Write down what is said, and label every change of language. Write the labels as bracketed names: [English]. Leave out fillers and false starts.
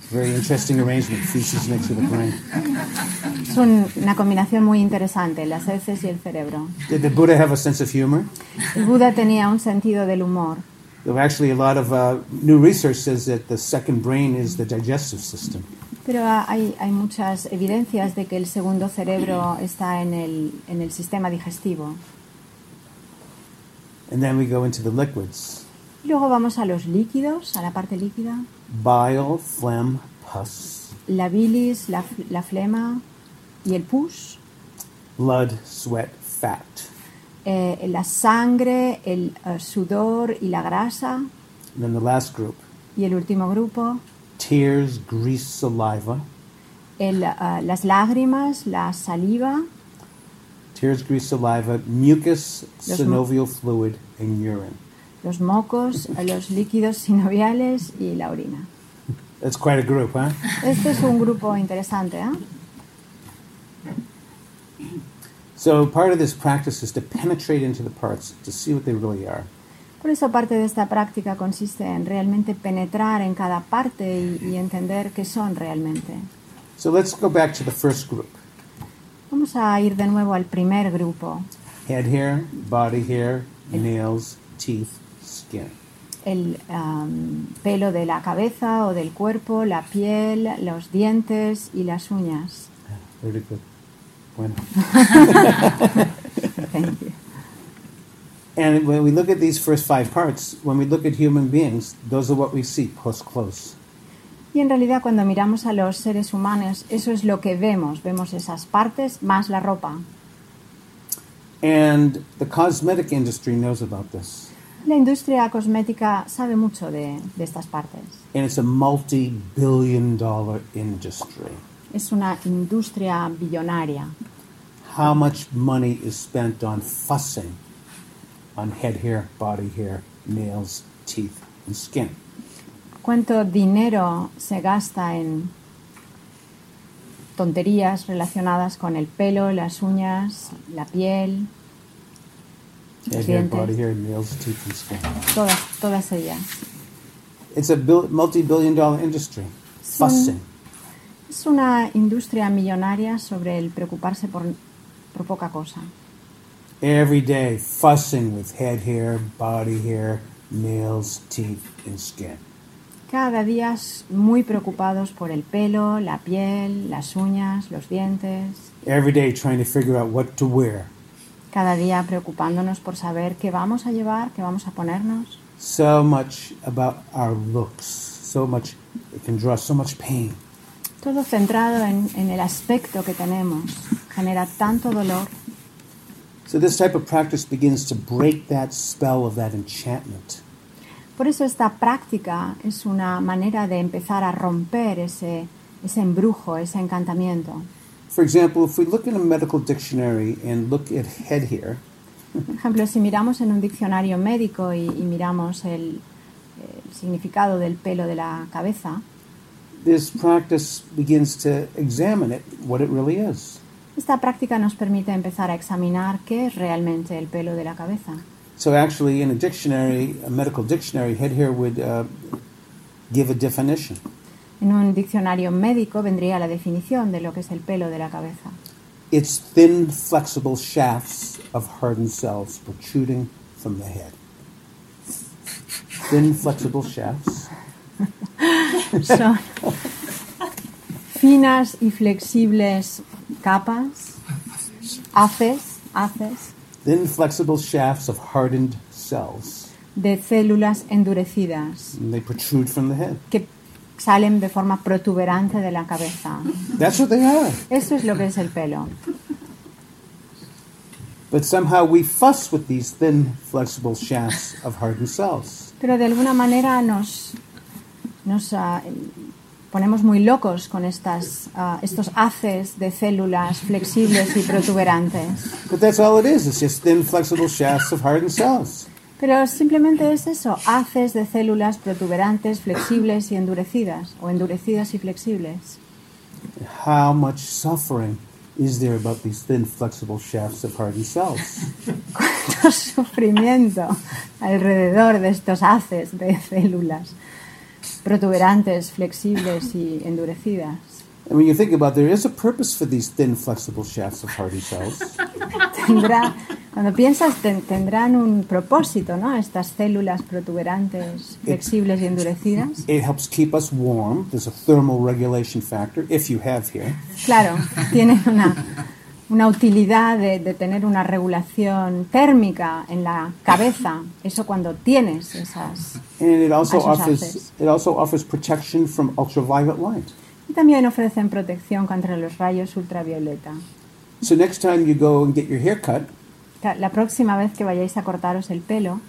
[English] Very interesting arrangement, feces next to the brain. [Spanish] Es una combinación muy interesante, las heces y el cerebro. [English] Did the Buddha have a sense of humor? [Spanish] El Buddha tenía un sentido del humor. [English] Actually, a lot of new research says that the second brain is the digestive system. [Spanish] Pero hay muchas evidencias de que el segundo cerebro está en el sistema digestivo. [English] And then we go into the liquids. [Spanish] Luego vamos a los líquidos, a la parte líquida. [English] Bile, phlegm, pus. [Spanish] La bilis, la flema y el pus. [English] Blood, sweat, fat. [Spanish] La sangre, el sudor y la grasa. [English] And then the last group. [Spanish] Y el último grupo. [English] Tears, grease, saliva. [Spanish] Las lágrimas, la saliva. [English] Tears, grease, saliva, mucus, synovial fluid, and urine. [Spanish] Los mocos, los líquidos sinoviales y la orina. [English] That's quite a group, huh? [Spanish] Este es un grupo interesante, [English] So part of this practice is to penetrate into the parts to see what they really are. [Spanish] Por eso parte de esta práctica consiste en realmente penetrar en cada parte y entender qué son realmente. [English] So let's go back to the first group. [Spanish] Vamos a ir de nuevo al primer grupo. [English] Head hair, body hair, nails, teeth, skin. [Spanish] El pelo de la cabeza o del cuerpo, la piel, los dientes y las uñas. [English] Very good. [Spanish] Bueno. [English] Thank you. And when we look at these first five parts, when we look at human beings, those are what we see post-close. [Spanish] Y en realidad cuando miramos a los seres humanos, eso es lo que vemos. Vemos esas partes más la ropa. [English] And the cosmetic industry knows about this. [Spanish] La industria cosmética sabe mucho de estas partes. [English] And it's a multi-billion dollar industry. [Spanish] Es una industria billonaria. [English] How much money is spent on fussing? On head hair, body hair, nails, teeth, and skin. [Spanish] ¿Cuánto dinero se gasta en tonterías relacionadas con el pelo, las uñas, la piel, [English] head hair, body hair, nails, teeth, and skin. [Spanish] Todas ellas. [English] It's a multi-billion dollar industry. Fussing. [Spanish] Es una industria millonaria sobre el preocuparse por poca cosa. [English] Every day, fussing with head hair, body hair, nails, teeth, and skin. [Spanish] Cada día muy preocupados por el pelo, la piel, las uñas, los dientes. [English] Every day trying to figure out what to wear. [Spanish] Cada día preocupándonos por saber qué vamos a llevar, qué vamos a ponernos. [English] So much about our looks. So much, it can draw so much pain. [Spanish] Todo centrado en el aspecto que tenemos. Genera tanto dolor. [English] So this type of practice begins to break that spell of that enchantment. [Spanish] Por eso esta práctica es una manera de empezar a romper ese embrujo, ese encantamiento. [English] For example, if we look in a medical dictionary and look at head hair. [Spanish] Por ejemplo, si miramos en un diccionario médico y miramos el significado del pelo de la cabeza. [English] This practice begins to examine it, what it really is. [Spanish] Esta práctica nos permite empezar a examinar qué es realmente el pelo de la cabeza. [English] So actually, in a dictionary, a medical dictionary, head hair would give a definition. [Spanish] En un diccionario médico vendría la definición de lo que es el pelo de la cabeza. [English] It's thin, flexible shafts of hardened cells protruding from the head. Thin, flexible shafts. [Spanish] Son finas y flexibles capas, haces. [English] Thin, flexible shafts of hardened cells. [Spanish] De células endurecidas. [English] And they protrude from the head. [Spanish] Que salen de forma protuberante de la cabeza. [English] That's what they are. [Spanish] Eso es lo que es el pelo. [English] But somehow we fuss with these thin, flexible shafts of hardened cells. [Spanish] Pero de alguna manera nos ponemos muy locos con estos haces de células flexibles y protuberantes. [English] But that's all it is. It's just thin, flexible shafts of hardened cells. [Spanish] Pero simplemente es eso, haces de células protuberantes, flexibles y endurecidas, o endurecidas y flexibles. [English] How much suffering is there about these thin, flexible shafts of hardened cells? [Spanish] ¿Cuánto sufrimiento alrededor de estos haces de células protuberantes, flexibles y endurecidas? [English] I mean, you think about it, there is a purpose for these thin, flexible shafts of hardened cells. [Spanish] Tendrá Cuando piensas, tendrán un propósito, ¿no? Estas células protuberantes, flexibles y endurecidas. [English] It helps keep us warm. There's a thermal regulation factor, if you have here. [Spanish] Claro, tiene una utilidad de tener una regulación térmica en la cabeza. Eso cuando tienes esas. [English] And it also offers protection from ultraviolet light. [Spanish] Y también ofrecen protección contra los rayos ultravioleta. [English] So next time you go and get your hair cut. [Spanish] La próxima vez que vayáis a cortaros el pelo.